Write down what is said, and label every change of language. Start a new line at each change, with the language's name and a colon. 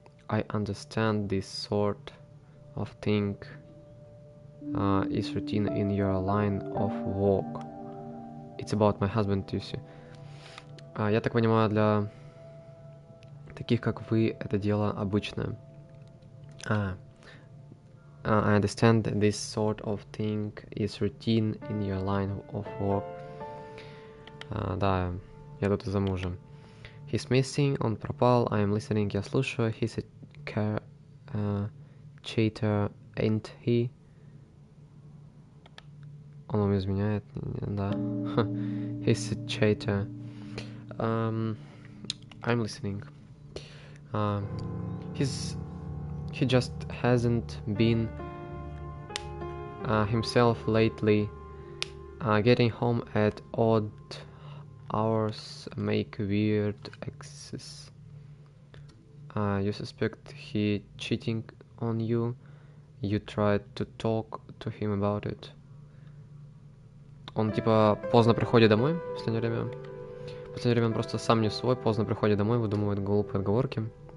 English: I understand this sort of thing is routine in your line of work. It's about my husband, you see.
Russian: Я так понимаю, для таких, как вы, это дело обычное.
English: I understand that this sort of thing is routine in your line of work.
Russian: Да, я тут замужем.
English: He's missing,
Russian: он пропал,
English: I'm listening,
Russian: я слушаю.
English: He's a cheater, ain't he?
Russian: Он вам изменяет, да.
English: He's a cheater. I'm listening. He's... He just hasn't been himself lately. Getting home at odd hours make weird exes. You suspect he cheating on you. You tried to talk to him about it.
Russian: Он типа поздно приходит домой в последнее время. В последнее время он просто сам не свой, поздно приходит домой, выдумывает глупые отговорки.